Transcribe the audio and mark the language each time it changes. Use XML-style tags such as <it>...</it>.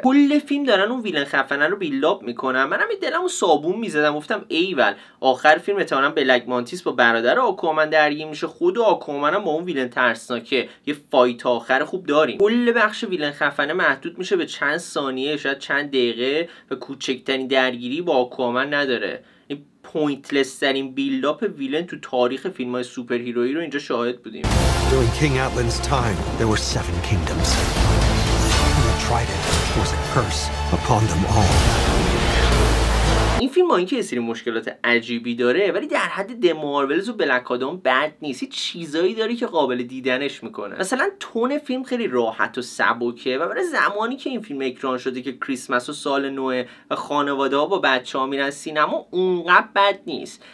<fa>کل فیلم دارن اون ویلن خفنه رو بیلاب میکنن. منم دلمو صابون میزدم، گفتم ایول آخر فیلم احتمالاً بلک مانتیس با برادر آکومن درگیر میشه، خود آکومن هم با اون ویلن ترسناکه، یه فایت آخر خوب داریم. کل بخش ویلن خفنه محدود میشه به چند ثانیه، شاید چند دقیقه، و کوچکترین درگیری با آکومن نداره. پوینتلس ترین بیلد اپ ویلن تو تاریخ فیلم های سوپر هیرویی رو اینجا شاهد بودیم.</fa> <en>During King Atlan's time, there were seven kingdoms. The trident was a curse upon them all.</en> <fa>این فیلم با اینکه یه سری مشکلات عجیبی داره، ولی در حد د مارولز و بلک آدم بد نیست. یه چیزایی داره که قابل دیدنش میکنه. مثلا تون فیلم خیلی راحت و سبکه، و برای زمانی که این فیلم اکران شده که کریسمس و سال نوه و خانواده‌ها با بچه‌ها میرن سینما، اونقدر بد نیست.</fa>